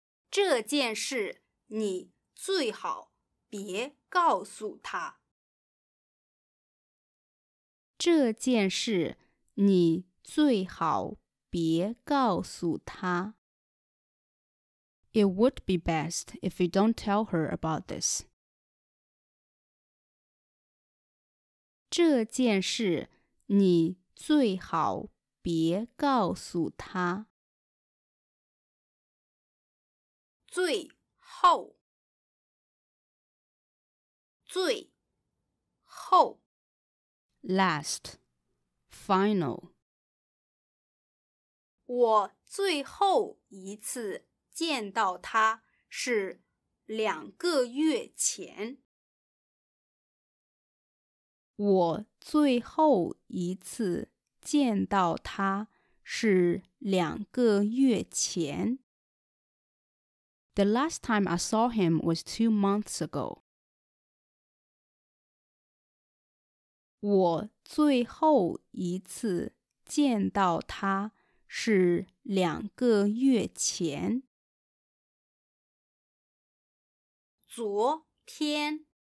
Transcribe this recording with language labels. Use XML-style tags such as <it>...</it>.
<zh>这件事你最好别告诉他。这件事你最好别告诉他。</zh> <en>It would be best if you don't tell her about this.</en> <zh>这件事你最好别告诉他。最后，最后。</zh> <en>Last, final.</en> <zh>我最后一次见到他是两个月前。我最后一次见到他是两个月前。</zh> <en>The last time I saw him was 2 months ago.</en> <zh>我最后一次见到他是两个月前。昨天。</zh>